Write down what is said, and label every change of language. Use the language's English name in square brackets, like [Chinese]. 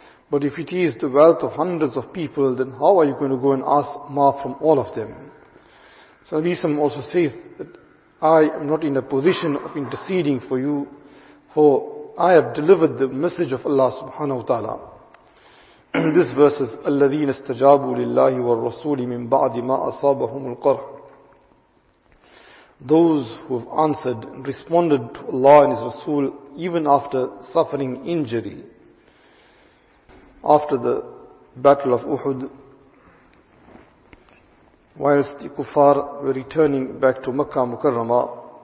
[English] But if it is the wealth of hundreds of people, then how are you going to go and ask maaf from all of them? So Al-Isam also says that I am not in a position of interceding for you, for I have delivered the message of Allah subhanahu wa ta'ala. This verse is, [Arabic] الَّذِينَ اسْتَجَابُوا لِلَّهِ وَالرَّسُولِ مِنْ بَعْدِ مَا أَصَابَهُمُ الْقَرْحُ. [English] Those who have answered and responded to Allah and His Rasul even after suffering injury. After the Battle of Uhud, whilst the Kuffar were returning back to Makkah Mukarramah,